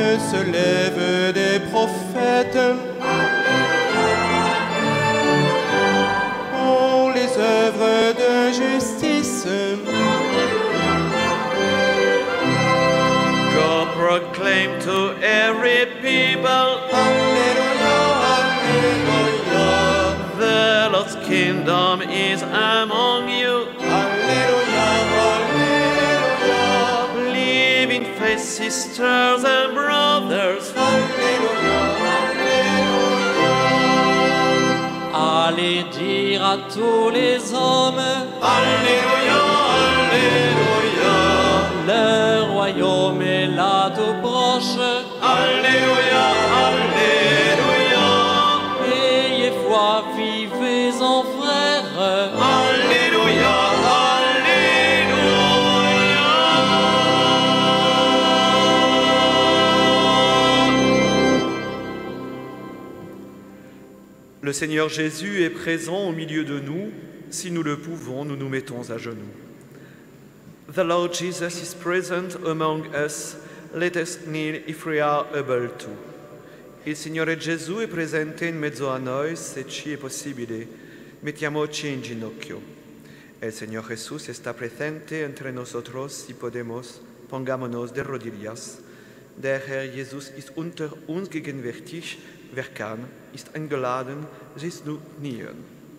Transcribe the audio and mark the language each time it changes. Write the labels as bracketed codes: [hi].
[fr] Se lève des prophètes pour les œuvres de justice. [en] proclaim to every people, Alleluia, Alleluia. The Lord's kingdom is among you, Alleluia, Alleluia. Live in faith, sisters and brothers, Alleluia, Alleluia. [fr] Allez dire à tous les hommes, Alleluia, Alleluia. Le royaume est là tout proche, Alléluia, Alléluia. Ayez foi, vivez en frère, Alléluia, Alléluia. Le Seigneur Jésus est présent au milieu de nous. Si nous le pouvons, nous nous mettons à genoux. [en] The Lord Jesus is present among us. Let us kneel if we are able to. [it] Il Signore Gesù è presente in mezzo a noi, se ci è possibile. Mettiamoci in ginocchio. [es] El Señor Jesús está presente entre nosotros, si podemos. Pongámonos de rodillas. [de] Der Herr Jesus ist unter uns gegenwärtig. Wer kann, ist eingeladen, sich zu knien.